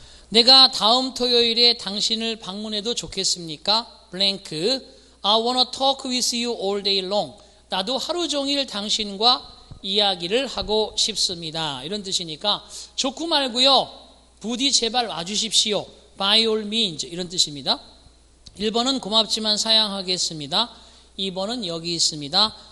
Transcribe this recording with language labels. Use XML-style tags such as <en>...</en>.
<ko>내가 다음 토요일에 당신을 방문해도 좋겠습니까?</ko> <en>blank. I wanna talk with you all day long.</en> <ko>나도 하루 종일 당신과 이야기를 하고 싶습니다. 이런 뜻이니까 좋고 말고요. 부디 제발 와주십시오.</ko> <en>by all means.</en> <ko>이런 뜻입니다. 1번은 고맙지만 사양하겠습니다. 2번은 여기 있습니다.</ko>